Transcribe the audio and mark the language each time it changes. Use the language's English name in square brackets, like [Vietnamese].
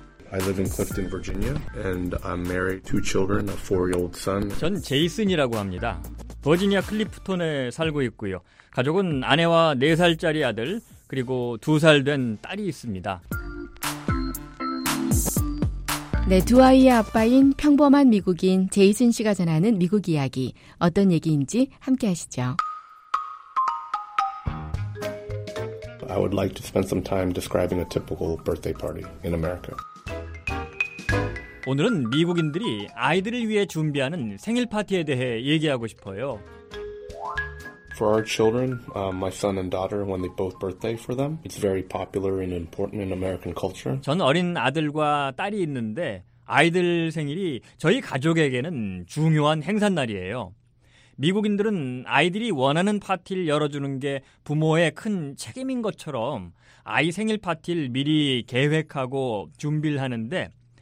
[English] I live in Clifton, Virginia, and I'm married to two children, a four-year-old son. [Korean] 전 제이슨이라고 합니다. 버지니아 클리프톤에 살고 있고요. 가족은 아내와 4살짜리 아들, 그리고 2살 된 딸이 있습니다. 네, 두 아이의 아빠인 평범한 미국인 제이슨 씨가 전하는 미국 이야기, 어떤 얘기인지 함께 하시죠. [English] I would like to spend some time describing a typical birthday party in America. [Korean] 오늘은 미국인들이 아이들을 위해 준비하는 생일 파티에 대해 얘기하고 싶어요. [English] For our children, my son and daughter, when they both birthday for them, it's very popular and important in American culture. [Korean] 전 어린 아들과 딸이 있는데 아이들 생일이 저희 가족에게는 중요한 행사 날이에요. 미국인들은 아이들이 원하는 파티를 열어주는 게 부모의 큰 책임인 것처럼 아이 생일 파티를 미리 계획하고 준비를 하는데.